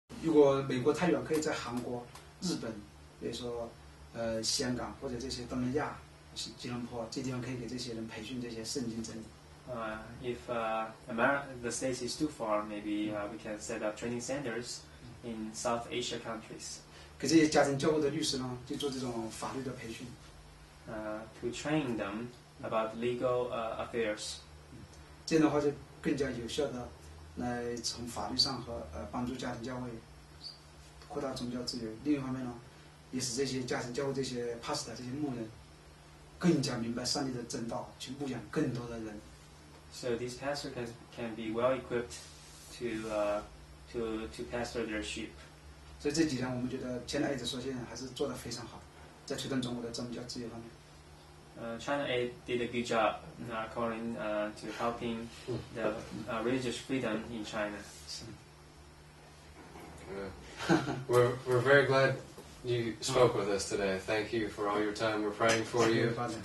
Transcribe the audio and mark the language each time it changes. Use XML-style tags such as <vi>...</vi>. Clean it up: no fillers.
<zh>果美国太远，可以在韩国、日本，比如说香港或者这些东南亚，吉隆坡这地方可以给这些人培训这些圣经真理。</zh> <en>If the states is too far, maybe we can set up training centers in South Asia countries.</en> <zh>给这些家庭教会的律师呢，就做这种法律的培训。</zh> <en>To train them about legal affairs.</en> <zh>这样的话就更加有效的来从法律上和帮助家庭教会扩大宗教自由。另一方面呢，也使这些家庭教会这些 pastor 这些牧人更加明白上帝的真道，去牧养更多的人。</zh> <en>So these pastors can be well equipped to pastor their sheep.</en> <zh>所以这几天我们觉得China Aid说现在还是做得非常好，在推动中国的宗教自由方面。</zh> <en>China Aid did a good job according to helping the religious freedom in China. We're very glad you spoke with us today. Thank you for all your time. We're praying for you.</en>